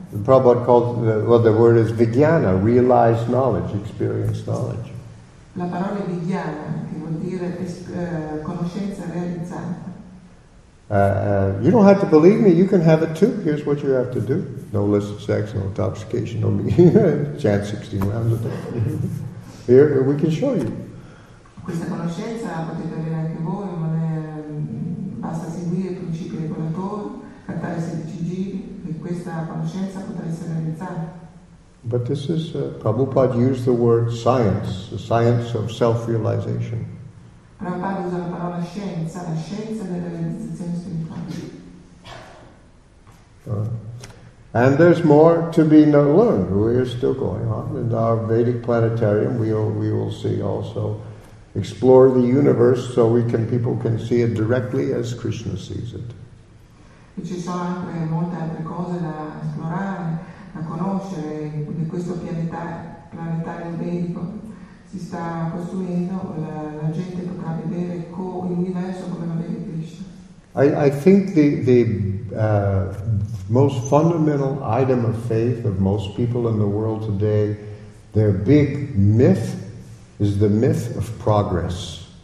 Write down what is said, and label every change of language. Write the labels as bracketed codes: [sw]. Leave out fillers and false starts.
[en] The Prabhupada called the word is vijnana, realized knowledge, experienced knowledge. [it] La parola è vijnana, che vuol dire conoscenza realizzata. [en] You don't have to believe me, you can have it too. Here's what you have to do. No illicit sex, no intoxication, no chant 16 rounds a day. Here, we can show you. [it] Questa conoscenza la potete avere anche voi, non è, basta seguire i principi regolatori, cantare 16 giri, e questa conoscenza potrà essere realizzata. [en] But this is, Prabhupada used the word science, the science of self-realization. [it] Prabhupada usa la parola scienza, la scienza della realizzazione spirituale. [en] And there's more to be learned. We are still going on. In our Vedic planetarium, we will see also, explore the universe so people can see it directly as Krishna sees it. [it] Ci sono anche molte altre cose da esplorare. A conoscere di questo planetario vedico si sta costruendo, la gente potrà vedere l'universo come lo vede Krishna. [en] I think the most fundamental item of faith of most people in the world today, their big myth, is the myth of progress.